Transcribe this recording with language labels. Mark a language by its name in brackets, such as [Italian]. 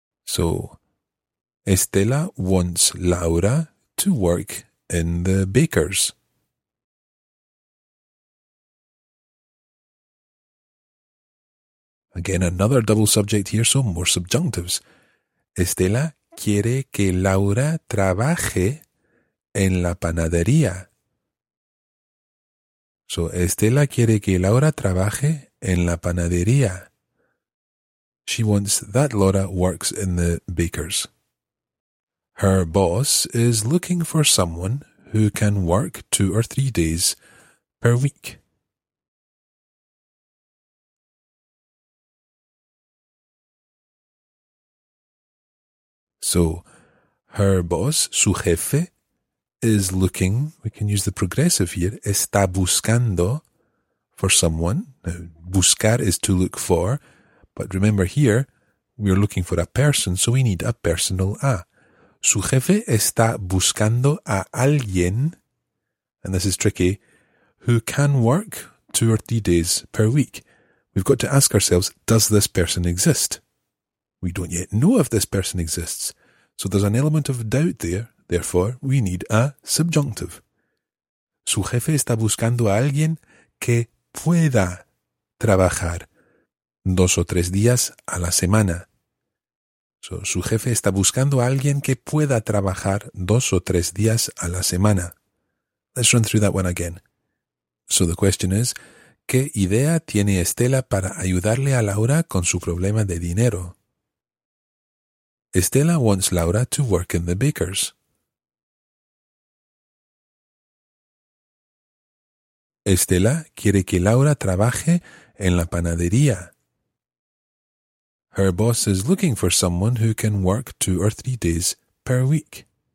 [English] So, Estela wants Laura to work in the bakers. Again, another double subject here, so more subjunctives. [Spanish] Estela quiere que Laura trabaje en la panadería. So, Estela quiere que Laura trabaje en la panadería. [English] She wants that Laura works in the bakers. Her boss is looking for someone who can work 2 or 3 days per week. So, her boss, [Spanish] su jefe, [English] is looking, we can use the progressive here, [Spanish] está buscando [English] for someone. Now, buscar is to look for. But remember here, we are looking for a person, so we need a personal a. [Spanish] Su jefe está buscando a alguien. [English] And this is tricky. Who can work 2 or 3 days per week? We've got to ask ourselves, does this person exist? We don't yet know if this person exists. So there's an element of doubt there. Therefore, we need a subjunctive. [Spanish] Su jefe está buscando a alguien que pueda trabajar 2 o 3 días a la semana. So, su jefe está buscando a alguien que pueda trabajar 2 o 3 días a la semana. [English] Let's run through that one again. So the question is, [Spanish] ¿qué idea tiene Estela para ayudarle a Laura con su problema de dinero? [English] Estela wants Laura to work in the bakers. [Spanish] Estela quiere que Laura trabaje en la panadería. [English] Her boss is looking for someone who can work 2 or 3 days per week.